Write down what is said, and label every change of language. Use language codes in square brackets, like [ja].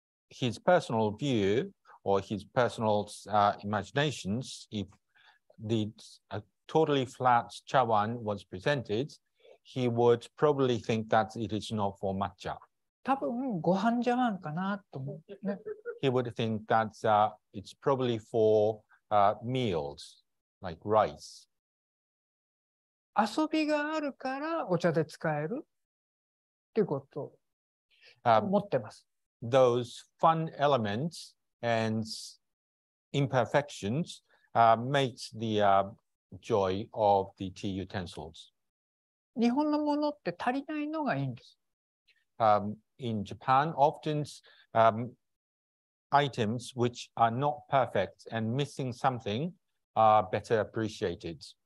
[en] His personal view or his personal imaginations, if the totally flat chawan was presented, he would probably think that it is not for matcha. [ja] 多分ご飯茶碗かなと思う。 [en] He would think that it's probably for meals, like rice. [ja] 遊びがあるからお茶で使える。っていうことを持ってます。 [en] Those fun elements and imperfections makes the joy of the tea utensils. [ja] 日本のものって足りないのがいいんです。 [en] In Japan, often items which are not perfect and missing something are better appreciated.